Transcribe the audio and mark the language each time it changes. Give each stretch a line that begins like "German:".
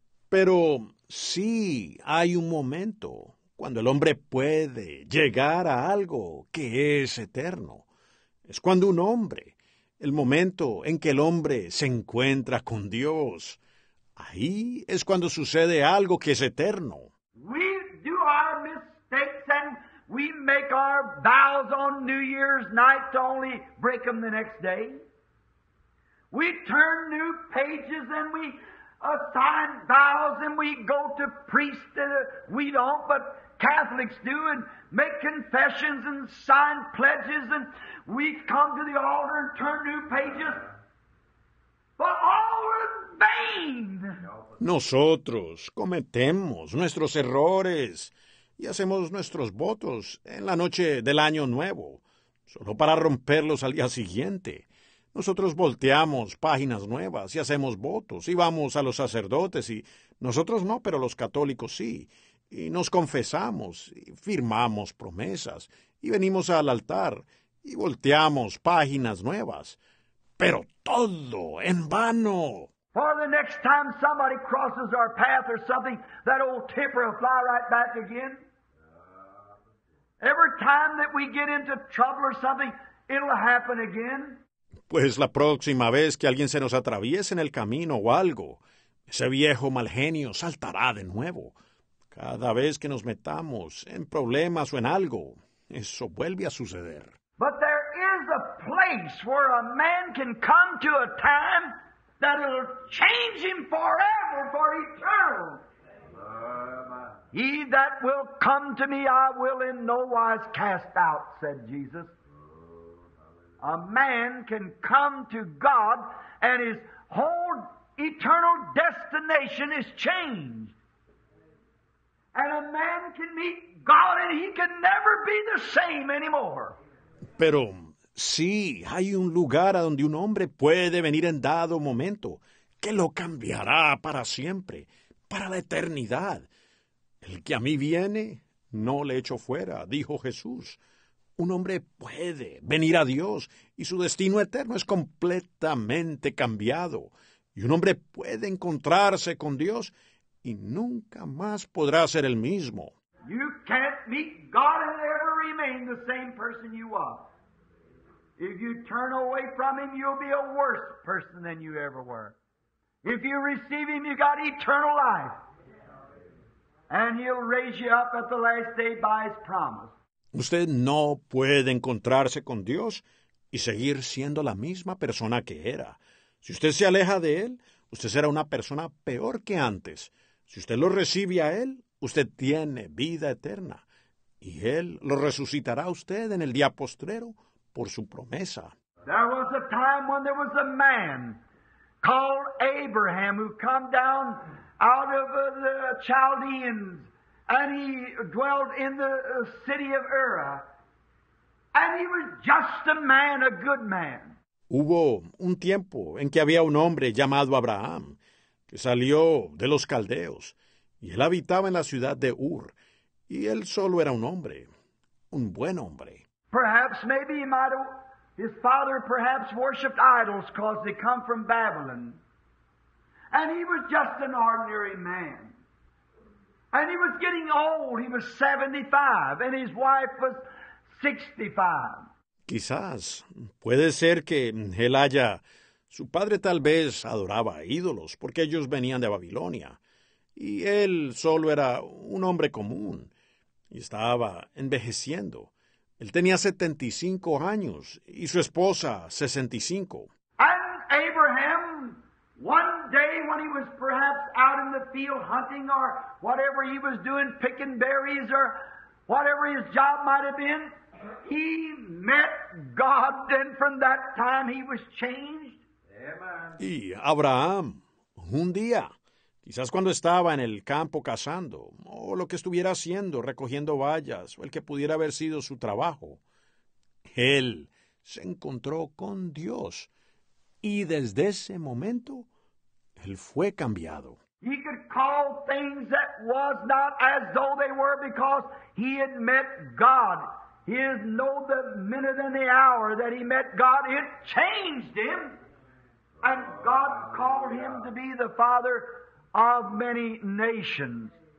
Spanish: Pero sí hay un momento cuando el hombre puede llegar a algo que es eterno. Es cuando un hombre, el momento en que el hombre se encuentra con Dios, ahí es cuando sucede algo que es eterno.
English: We do our mistakes and we make our vows on New Year's night to only break them the next day. We turn new pages and we assign vows and we go to priests that we don't, but Catholics do, and make confessions and sign pledges, and we come to the altar and turn new pages. But all of vain.
Spanish: Nosotros cometemos nuestros errores y hacemos nuestros votos en la noche del año nuevo, solo para romperlos al día siguiente. Nosotros volteamos páginas nuevas y hacemos votos y vamos a los sacerdotes y nosotros no, pero los católicos sí. Y nos confesamos y firmamos promesas y venimos al altar y volteamos páginas nuevas. Pero todo en vano.
English: For the next time somebody crosses our path or something, that old temper will fly right back again. Every time that we get into trouble or something, it'll happen again.
Spanish: Pues la próxima vez que alguien se nos atraviese en el camino o algo, ese viejo mal genio saltará de nuevo. Cada vez que nos metamos en problemas o en algo, eso vuelve a suceder.
English: But there is a place where a man can come to a time that will change him forever for eternal. He that will come to me, I will in no wise cast out, said Jesus. A man can come to God and his whole eternal destination is changed. And a man can meet God and he can never be the same anymore.
Spanish: Pero sí, hay un lugar a donde un hombre puede venir en dado momento que lo cambiará para siempre, para la eternidad. El que a mí viene, no le echo fuera, dijo Jesús. Un hombre puede venir a Dios y su destino eterno es completamente cambiado. Y un hombre puede encontrarse con Dios y nunca más podrá ser el mismo.
English: You can't meet God and ever remain the same person you are. If you turn away from Him, you'll be a worse person than you ever were. If you receive Him, you got eternal life. And He'll raise you up at the last day by His promise.
Spanish: Usted no puede encontrarse con Dios y seguir siendo la misma persona que era. Si usted se aleja de Él, usted será una persona peor que antes. Si usted lo recibe a Él, usted tiene vida eterna. Y Él lo resucitará a usted en el día postrero por su promesa.
English: There was a time when there was a man called Abraham who came down out of the Chaldeans. And he dwelt in the city of Ur. And he was just a man, a good man.
Spanish: Hubo un tiempo en que había un hombre llamado Abraham que salió de los caldeos. Y él habitaba en la ciudad de Ur. Y él solo era un hombre, un buen hombre.
English: Perhaps, maybe he might have, his father perhaps worshipped idols because they come from Babylon. And he was just an ordinary man. And he was getting old. He was 75, and his wife was 65.
Spanish: Quizás puede ser que él haya, su padre tal vez adoraba ídolos, porque ellos venían de Babilonia, y él solo era un hombre común, y estaba envejeciendo. Él tenía 75 años, y su esposa 65.
English: And Abraham, one day when he was perhaps out in the field hunting or whatever he was doing, picking berries or whatever his job might have been, he met God, and from that time he was changed. Amen.
Spanish: Y Abraham, un día, quizás cuando estaba en el campo cazando, o lo que estuviera haciendo, recogiendo bayas, o el que pudiera haber sido su trabajo, él se encontró con Dios. Y desde ese momento, él fue cambiado.
English: He could call things that was not as though they were because he had met God. He had known the minute and the hour that he met God. It changed him. And God called him to be the father of many nations.